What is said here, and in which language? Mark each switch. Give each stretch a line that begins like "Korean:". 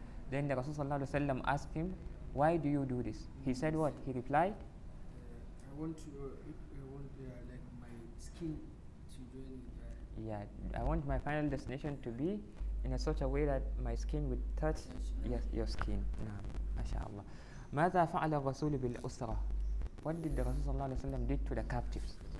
English: Then the Rasulullah asked him, why do you do this? He said what? He replied, I want my final destination to be in a such a way that my skin would touch your skin. MashaAllah.
Arabic: ماذا فعل الرسول بالأسرة?
English: What did the Rasul sallallahu alayhi wa sallam did to the captives?